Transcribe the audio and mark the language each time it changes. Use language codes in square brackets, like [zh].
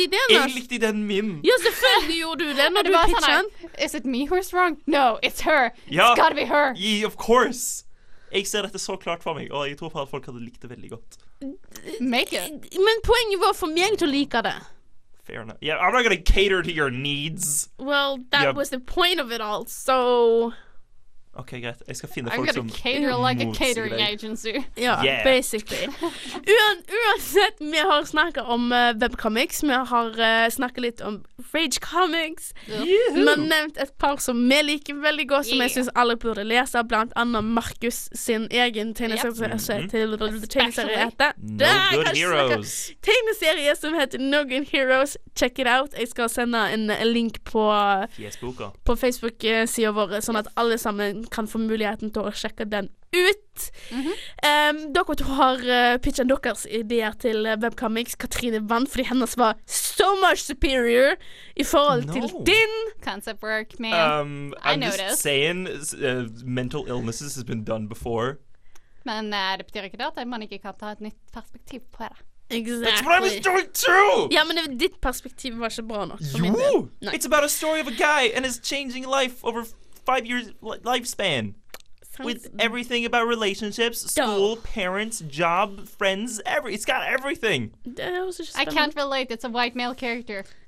[no] Jeg likte ideen min. Ja, selvfølgelig gjorde du det når du pitchet den. [en] Is it me who's wrong? No, it's her. Ja. It's gotta be her. Yeah, of course. [no] Jeg ser dette så klart for meg, og jeg tror at folk hadde likt det veldig godt. [en] Make it. [no] Men poenget var for meg til å like det. [en] Fair enough. Yeah, I'm not gonna cater to your needs. Well, that was the point of it all, so... [no] Ok, greit. Jeg skal finne folk [en] som... I'm gonna cater like a catering agency. [no] Ja, yeah, basically. Uansett, vi har snakket om webcomics. Vi har snakket litt om Rage Comics. Vi har nevnt et par som vi liker veldig godt, som jeg synes alle burde lese. Blant annet Markus sin egen tegneserie. Tegneserie som heter No Good Heroes. [en] Check it out. [no] Jeg skal sende en link på Facebook-siden vår, sånn at alle sammen kan få muligheten til å sjekke den ut. Dere har pitchet deres ideer til webcomics. Katrine vant fordi hennes var [en] so much superior [no] i forhold til din [en] concept work, man. I'm just saying mental illnesses has been done before. [no] Men det betyr ikke at man ikke kan ta et nytt perspektiv på det. [en] Exactly. That's what I was doing too. [no] Ja, men ditt perspektiv var ikke bra nok. Jo! [en] It's about a story of a guy and his changing life over 5 years lifespan. Sounds with everything about relationships, school, parents, job, friends, it's got everything. I can't relate, it's a white male character.